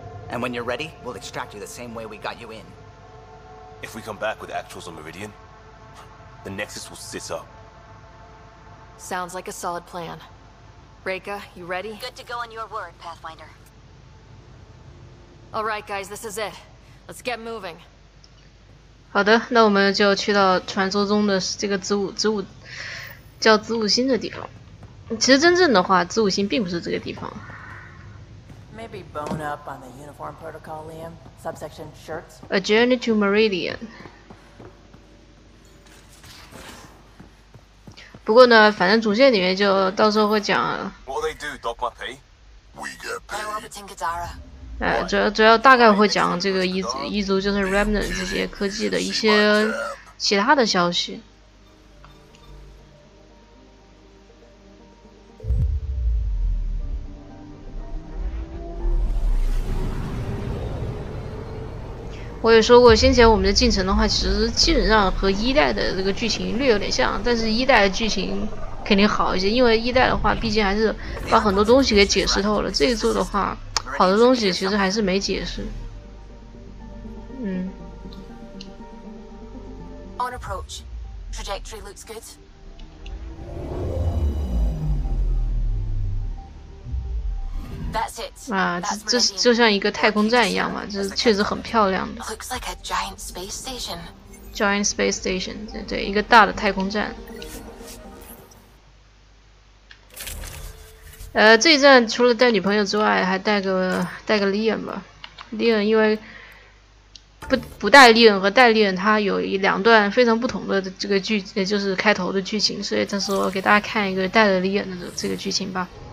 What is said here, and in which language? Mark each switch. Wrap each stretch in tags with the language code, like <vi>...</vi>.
<en>And when you're ready, we'll extract you the same way we got you in. If we come back with actuals on Meridian, the Nexus will sit up. Sounds like a solid plan. Reika, you ready? Good to go on your word, Pathfinder. All right, guys, this is it. Let's get moving.</en> <zh>好的，那我们就去到传说中的这个子午叫子午星的地方。其实真正的话，子午星并不是这个地方。</zh> <en>Maybe bone up on the uniform protocol, Liam. Subsection shirts. A journey to Meridian.</en> <zh>不过呢，反正主线里面就到时候会讲。</zh> <en>What do they do, dog my pee? We get paid. I'm orbiting Kadara.</en> <zh>主要大概会讲这个异族就是 Remnant 这些科技的一些其他的消息。我也说过，先前我们的进程的话，其实基本上和一代的这个剧情略有点像，但是一代的剧情肯定好一些，因为一代的话毕竟还是把很多东西给解释透了，这一作的话。好的东西其实还是没解释。</zh> <en>On approach, trajectory looks good. That's it.</en> <zh>啊，就像一个太空站一样嘛，这确实很漂亮的。</zh> <en>Looks like a giant space station. Giant space station,</en> <zh>对，一个大的太空站。这一站除了带女朋友之外，还带个 Leon 吧。 Leon 因为不带 Leon 和带 Leon 他有一两段非常不同的这个剧，也就是开头的剧情，所以这时候给大家看一个带了 Leon 的这个剧情吧。</zh>